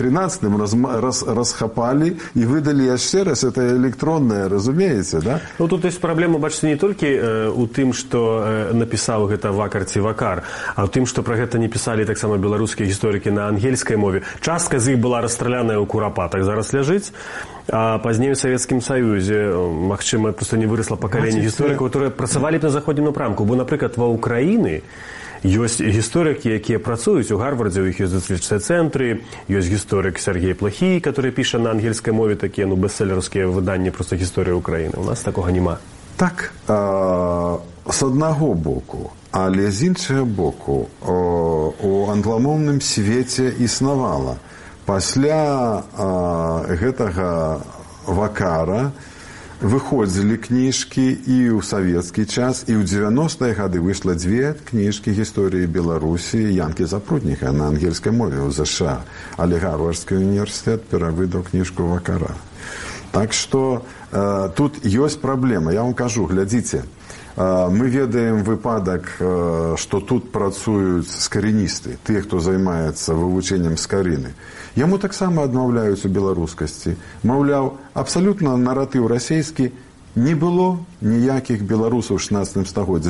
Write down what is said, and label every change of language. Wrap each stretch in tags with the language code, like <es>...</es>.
<uk>13-м розхапали і видали ще раз. Це електронне, розумієте, да? Ну, тут є проблема, бачите, не тільки у тим, що написав гэта Вакар ці Вакар, а у тим, що про гэта не писали так само білоруські історики на ангельській мові. Частка з їх була розстріляна у куропатах. Зараз лежить.</uk> <be>А пазней у Савецкім Саюзе, магчыма, просто не вырасла пакаленне гісторыкаў, которые працавалі б на заходнім напрамку. Бо, напрыклад, ва Украіны ёсць гісторыкі, якія працуюць у Гарварде, у іх ёсць даследчыя цэнтры, ёсць гісторык Сергей Плахі, который піша на ангельскай мове такія, ну, бестселерскія выданні просто гісторыі Украіны. У нас такога няма. Так, з аднаго боку, але з іншага боку, у англамовным свеце існавала Пасля гэтага Вакара выходзілі кніжкі і ў савецкі час, і ў 90-е гады выйшла дзве кніжкі гісторыі Беларусі Янкі Запрудніка на ангельскай мове ў США. Але Гарвардскі універсітэт перавыдаў кніжку Вакара. Так што тут ёсць праблема. Я вам кажу, глядзіце.</be> <uk>Ми ведаємо випадок, що тут працюють скоріністи, ті, хто займається вивченням скоріни. Йому так само відмовляють у білоруськості. Мовляв, абсолютно наратив російський, не було ніяких білорусів у 16 столітті.</uk>